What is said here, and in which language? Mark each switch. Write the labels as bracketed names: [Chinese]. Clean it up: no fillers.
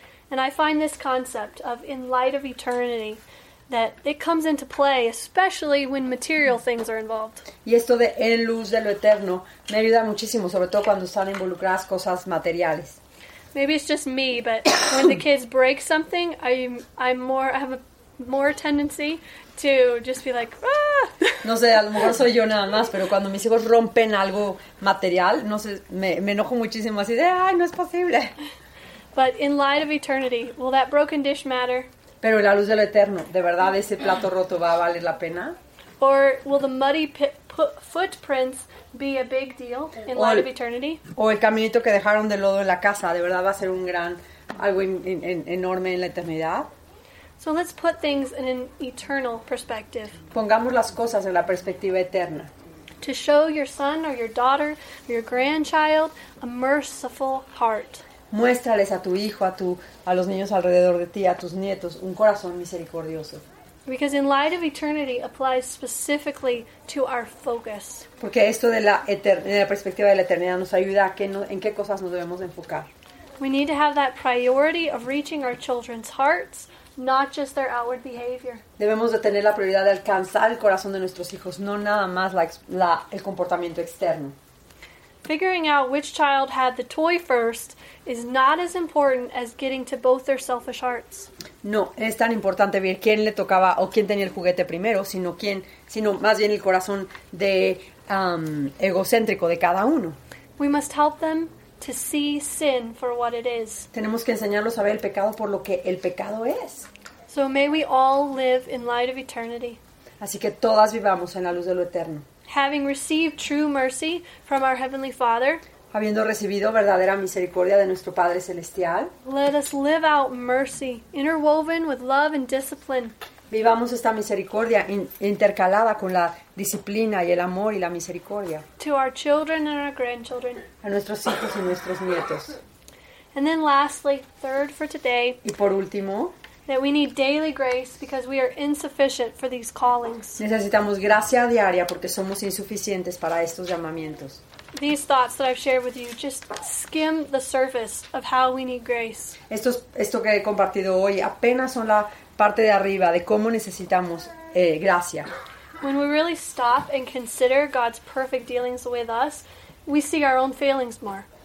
[English] And I find this concept of in light of eternity, that it comes into play, especially when material things are involved. [Spanish] Y esto de en luz de lo eterno me ayuda muchísimo, sobre todo cuando están involucradas cosas materiales. [English] Maybe it's just me, but when the kids break something, I have a more tendency to just be like, ah! [Spanish] No sé, a lo mejor soy yo nada más, pero cuando mis hijos rompen algo material, no sé, me enojo muchísimo, así de, ay, no es posible. [English] But in light of eternity, will that broken dish matter? [Spanish] Pero en la luz del eterno, ¿de verdad ese plato roto va a valer la pena? [English] Or will the muddy footprints be a big deal in light of eternity? [Spanish] O el caminito que dejaron de lodo en la casa, ¿de verdad va a ser un gran, algo enorme en la eternidad? [English] So let's put things in an eternal perspective. [Spanish] Pongamos las cosas en la perspectiva eterna. [English] To show your son or your daughter or your grandchild a merciful heart. [Spanish] Muéstrales a tu hijo, a los niños alrededor de ti, a tus nietos, un corazón misericordioso. [English] Because in light of eternity applies specifically to our focus. [Spanish] Porque esto de la perspectiva de la eternidad nos ayuda a en qué cosas nos debemos enfocar. [English] We need to have that priority of reaching our children's hearts, not just their outward behavior. [Spanish] Debemos de tener la prioridad de alcanzar el corazón de nuestros hijos, no nada más el comportamiento externo. [English] Figuring out which child had the toy first is not as important as getting to both their selfish hearts. [Spanish] No, es tan importante ver quién le tocaba o quién tenía el juguete primero, sino más bien el corazón de egocéntrico de cada uno. [English] We must help them to see sin for what it is. [Spanish] Tenemos que enseñarlos a ver el pecado por lo que el pecado es. [English] So may we all live in light of eternity. [Spanish] Así que todas vivamos en la luz de lo eterno. [English] Having received true mercy from our Heavenly Father, [Spanish] habiendo recibido verdadera misericordia de nuestro Padre Celestial, [English] let us live out mercy, interwoven with love and discipline. [Spanish] Vivamos esta misericordia intercalada con la disciplina y el amor y la misericordia. [English] To our children and our grandchildren. [Spanish] A nuestros hijos y nuestros nietos. [English] And then lastly, third for today, [Spanish] y por último, [English] that we need daily grace because we are insufficient for these callings. [Spanish] Necesitamos gracia diaria porque somos insuficientes para estos llamamientos. [English] These thoughts that I've shared with you just skim the surface of how we need grace. [Spanish] Esto que he compartido hoy apenas son la parte de arriba de cómo necesitamos gracia. [English] When we really stop and consider God's perfect dealings with us, we see our own failings more.